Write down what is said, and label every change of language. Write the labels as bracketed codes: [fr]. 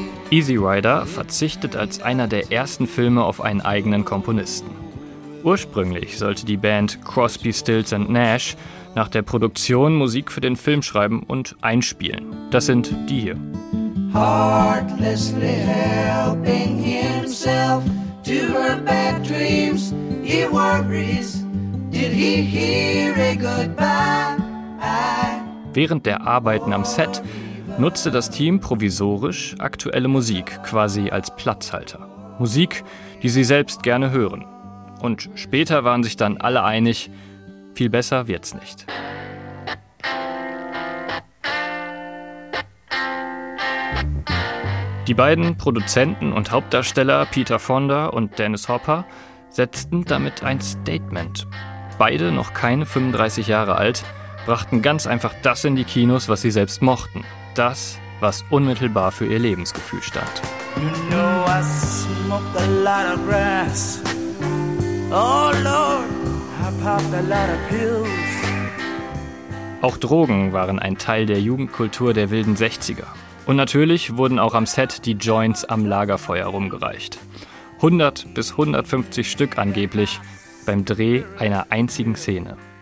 [de] Easy Rider verzichtet als einer der ersten Filme auf einen eigenen Komponisten. Ursprünglich sollte die Band Crosby, Stills & Nash nach der Produktion Musik für den Film schreiben und einspielen. Das sind die hier. [en] Heartlessly helping himself to her bad dreams, he worries, did he hear a goodbye? [de] Während der Arbeiten am Set nutzte das Team provisorisch aktuelle Musik, quasi als Platzhalter. Musik, die sie selbst gerne hören. Und später waren sich dann alle einig, viel besser wird's nicht. Die beiden Produzenten und Hauptdarsteller Peter Fonda und Dennis Hopper setzten damit ein Statement. Beide noch keine 35 Jahre alt, brachten ganz einfach das in die Kinos, was sie selbst mochten. Das, was unmittelbar für ihr Lebensgefühl stand. [en] You know I smoked a lot of grass. Oh Lord, I popped a lot of pills. [de] Auch Drogen waren ein Teil der Jugendkultur der wilden 60er. Und natürlich wurden auch am Set die Joints am Lagerfeuer rumgereicht. 100 bis 150 Stück angeblich beim Dreh einer einzigen Szene.